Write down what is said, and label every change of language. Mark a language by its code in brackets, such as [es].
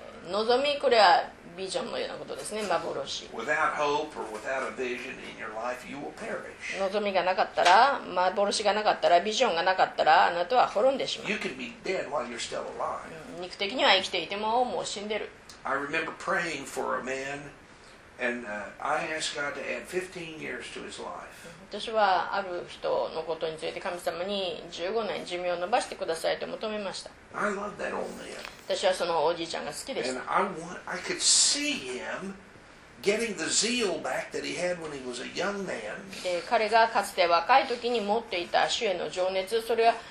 [ja] 望み、これはビジョンのようなことですね。幻。 [en] Without hope or without a vision in your life, you will perish. [ja] 望みがなかったら、幻がなかったら、ビジョンがなかったら、あなたは滅んでしまう。 [en] You can be dead while you're still alive. [ja] 肉的には生きていてももう死んでる。 [en] I remember praying for a man and I asked God to add 15 years to his life. [ja] 私はある人のことについて神様に15年寿命を延ばしてくださいと求めました。 [en] I love that old man. [ja] 私はそのおじいちゃんが好きでした。 [en] And I could see him getting the zeal back that he had when he was a young man. [ja] で、彼がかつて若い時に持っていた主への情熱、それは